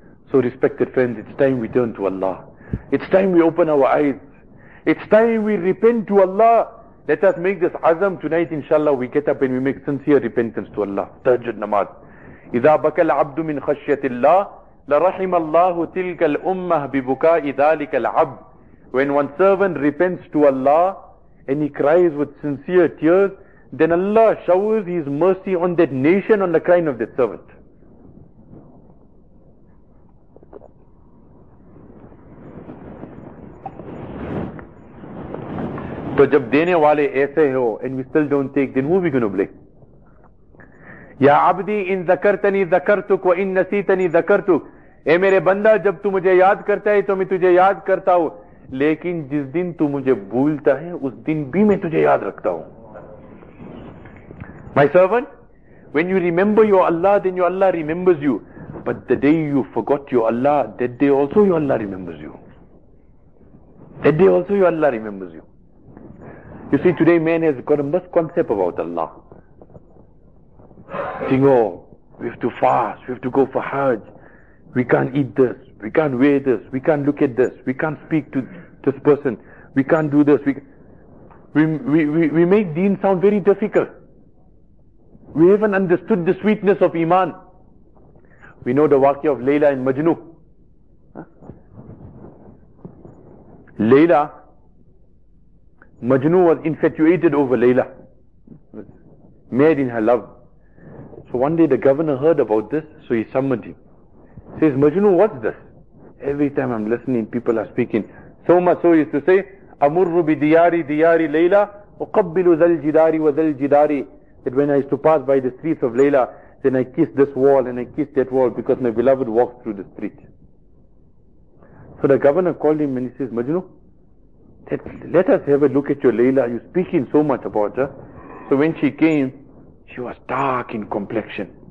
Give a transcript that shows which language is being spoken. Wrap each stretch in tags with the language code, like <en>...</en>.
<en>So respected friends, it's time we turn to Allah. It's time we open our eyes. It's time we repent to Allah. Let us make this azam tonight, inshallah, we get up and we make sincere repentance to Allah. Tahajjud namaz.</en> <ar>إِذَا بَكَ الْعَبْدُ مِنْ خَشْيَةِ اللَّهِ لرحم الله تلك الأمة ببكاء ذلك العبد.</ar> <en>When one servant repents to Allah and he cries with sincere tears, then Allah showers His mercy on that nation on the crying of that servant. So</en> <ur>جب دینے والے ایسے ہو</ur> <en>and we still don't take, then who are we going to blame?</en> <ar>يا عبدي إن ذكرتني ذكرتك وإن نسيتني ذكرتك.</ar> <ur>اے میرے بندہ جب تو مجھے یاد کرتا ہے تو میں تجھے یاد کرتا ہوں, لیکن جس دن تو مجھے بھولتا ہے اس دن بھی میں تجھے یاد رکھتا ہوں.</ur> <en>My servant, when you remember your Allah, then your Allah remembers you. But the day you forgot your Allah, that day also your Allah remembers you. That day also your Allah remembers you. You see, today man has got a misconcept about Allah. Think, oh, we have to fast, we have to go for Hajj. We can't eat this, we can't wear this, we can't look at this, we can't speak to this person, we can't do this. We make deen sound very difficult. We haven't understood the sweetness of Iman. We know the waqi of Layla and Majnu. Layla, Majnu was infatuated over Layla, mad in her love. So one day the governor heard about this, so he summoned him. Says, Majnu, what's this? Every time I'm listening, people are speaking. So much so, he used to say,</en> <ar>أَمُرُّ بِدِيَارِ دِيَارِ لَيْلَى وَقَبِّلُ ذَا الْجِدَارِ وَذَا الْجِدَارِ.</ar> <en>That when I used to pass by the streets of Layla, then I kiss this wall and I kiss that wall because my beloved walks through the street. So the governor called him and he says, Majnu, let us have a look at your Layla. You're speaking so much about her. So when she came, she was dark in complexion.</en>